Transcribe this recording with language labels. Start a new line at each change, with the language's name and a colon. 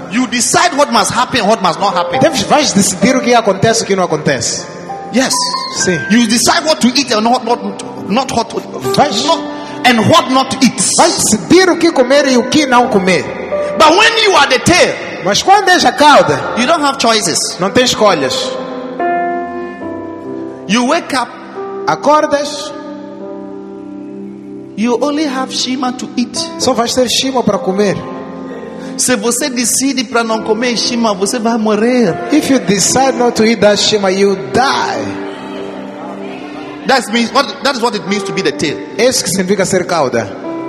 English: You decide what must happen, what must not happen.
Portuguese: Deves, vais decidir o que acontece, o que não acontece.
English: Yes.
Portuguese: Sim.
English: You decide what to eat and not what to
Portuguese: vais,
English: not, and what not to eat.
Portuguese: Vais decidir o que comer e o que não comer.
English: But when you are the tail,
Portuguese: mas quando és a cauda,
English: you don't have choices.
Portuguese: Não tens escolhas.
English: You wake up,
Portuguese: acordas.
English: You only have shima to eat.
Portuguese: Só vai ter shima para comer. Se você decide para não comer shima, você vai morrer.
English: If you decide not to eat that shima, you die. That is what it means to be the tail.
Portuguese: Isso que significa ser cauda.